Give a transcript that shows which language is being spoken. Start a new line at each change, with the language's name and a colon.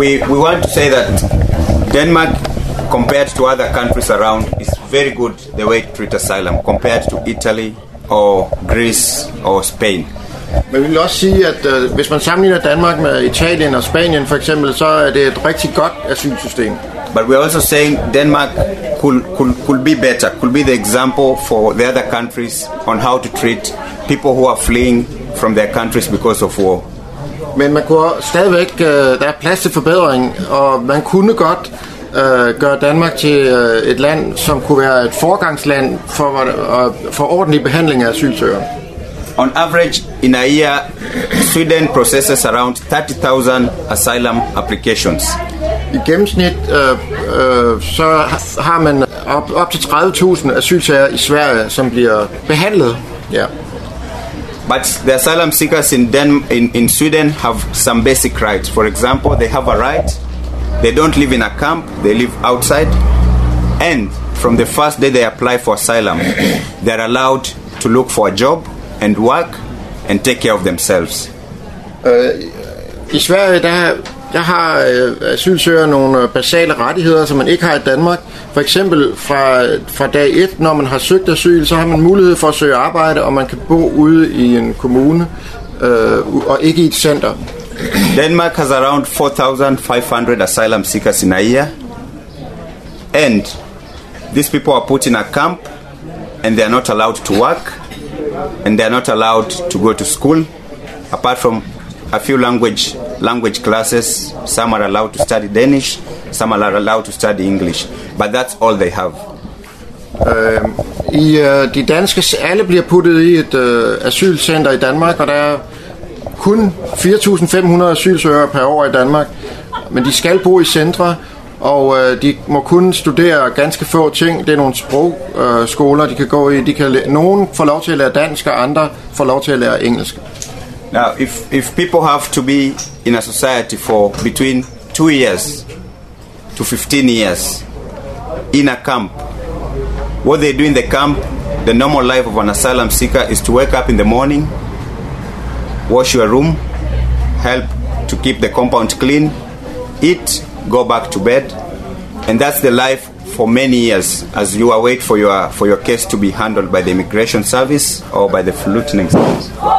English: We want to say that Denmark, compared to other countries around, is very good the way it treats asylum compared to Italy or Greece or Spain.
Danish: Men vi vil også sige, at hvis man sammenligner Danmark med Italien og Spanien for eksempel, så er det et rigtig godt asylsystem.
English: But we're also saying Denmark could be better, could be the example for the other countries on how to treat people who are fleeing from their countries because of war.
Danish: Men man kunne stadigvæk, der er plads til forbedring, og man kunne godt gøre Danmark til et land, som kunne være et foregangsland for ordentlig behandling af asylsøgere.
English: On average, in a year, Sweden processes around 30,000 asylum applications.
Danish: I gennemsnit så har man op til 30,000 asylsager i Sverige, som bliver behandlet. Yeah.
English: But the asylum seekers in Sweden have some basic rights. For example, they have a right. They don't live in a camp. They live outside. And from the first day they apply for asylum, they are allowed to look for a job and work and take care of themselves.
Danish: I Sverige der har asylsøger nogle basale rettigheder, som man ikke har i Danmark. For eksempel fra dag 1, når man har søgt asyl, så har man mulighed for at søge arbejde, og man kan bo ude i en kommune og ikke i et center.
English: Denmark has around 4,500 asylum seekers in a year, and these people are put in a camp, and they are not allowed to work, and they are not allowed to go to school, apart from a few language classes. Some are allowed to study Danish, some are allowed to study English, but that's all they have.
Danish: De danske, alle bliver puttet i et asylcenter i Danmark, og der er kun 4,500 asylsøgere per år i Danmark, men de skal bo i centre, og de må kun studere ganske få ting. Det er nogle sprogskoler, de kan gå i. Nogen får lov til at lære dansk, og andre får lov til at lære engelsk.
English: Now, if people have to be in a society for between 2 years to 15 years in a camp, what they do in the camp, the normal life of an asylum seeker is to wake up in the morning, wash your room, help to keep the compound clean, eat, go back to bed, and that's the life for many years as you await for your case to be handled by the immigration service or by the flutning service.